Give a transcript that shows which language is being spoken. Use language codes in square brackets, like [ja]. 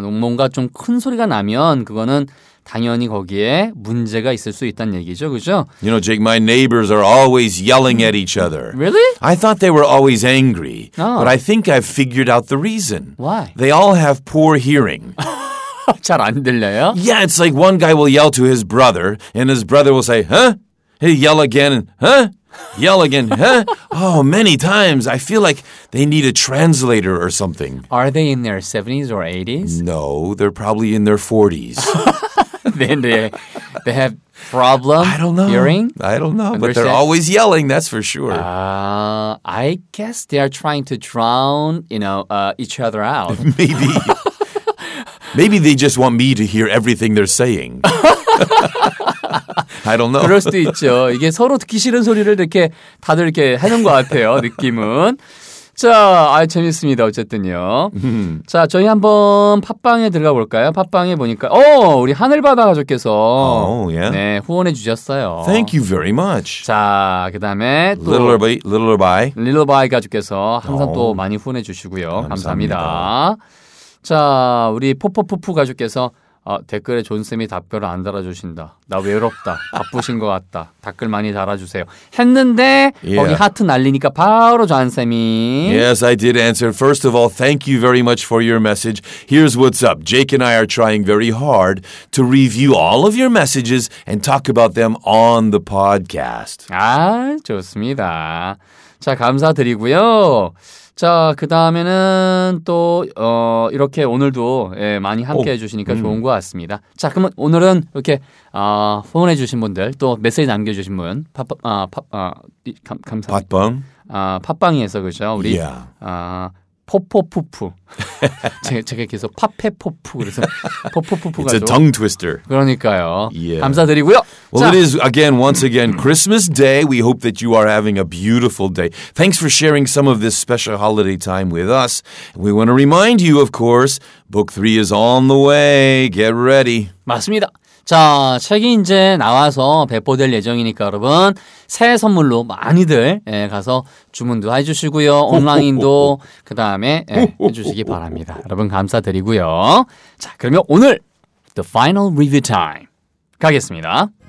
[ko] 뭔가 좀 큰 소리가 나면 그거는 당연히 거기에 문제가 있을 수 있다는 얘기죠, 그죠? [en] You know, Jake, my neighbors are always yelling at each other. Really? I thought they were always angry. Oh. But I think I've figured out the reason. Why? They all have poor hearing. [ko] 잘 안 들려요? [en] Yeah, it's like one guy will yell to his brother, and his brother will say, huh? He'll yell again, huh? Yell again, huh? Oh, many times. I feel like they need a translator or something. Are they in their 70s or 80s? No, they're probably in their 40s. Then they have problem I don't know. Hearing? I don't know, but they're always yelling, that's for sure. I guess they are trying to drown, you know, each other out. Maybe. Maybe they just want me to hear everything they're saying. I don't know. [ko] 그럴 수도 있죠. 이게 서로 듣기 싫은 소리를 이렇게 다들 이렇게 하는 것 같아요. 느낌은. 자, 아이 재밌습니다. 어쨌든요. 자, 저희 한번 팟빵에 들어가 볼까요? 팟빵에 보니까 우리 하늘바다 가족께서 [en] yeah. [ko] 네, 후원해 주셨어요. [en] Thank you very much. [ko] 자, 그다음에 또 [en] Little by [ko] 가족께서 항상 또 많이 후원해 주시고요. 감사합니다. 감사합니다. 자, 우리 포포포포 가족께서 댓글에 존쌤이 답변을 안 달아주신다. 나 외롭다. 바쁘신 것 같다. 댓글 많이 달아주세요. 했는데 yeah. 거기 하트 날리니까 바로 존쌤이 [en] Yes, I did answer. First of all, thank you very much for your message. Here's what's up. Jake and I are trying very hard to review all of your messages and talk about them on the podcast. [ko] 아, 좋습니다. 자, 감사드리고요. 자, 그 다음에는 또 이렇게 오늘도 예, 많이 함께 해주시니까 좋은 것 같습니다. 자, 그러면 오늘은 이렇게 후원해 주신 분들 또 메시지 남겨주신 분 감사합니다. 팟빵? 팟빵에서 그죠? 우리 yeah. 포포푸푸 제가 계속 파페포푸 그래서 포포푸푸 [en] It's a tongue twister. [ko] 그러니까요. [en] Yeah. [ko] 감사드리고요. [en] Well, 자. it is again, once again, Christmas Day. We hope that you are having a beautiful day. Thanks for sharing some of this special holiday time with us. We want to remind you, of course, book 3 is on the way. Get ready. [ko] 맞습니다. 자, 책이 이제 나와서 배포될 예정이니까 여러분 새해 선물로 많이들 예, 가서 주문도 해주시고요. 온라인도 그 다음에 예, 해주시기 바랍니다. 여러분 감사드리고요. 자, 그러면 오늘 The Final Review Time 가겠습니다.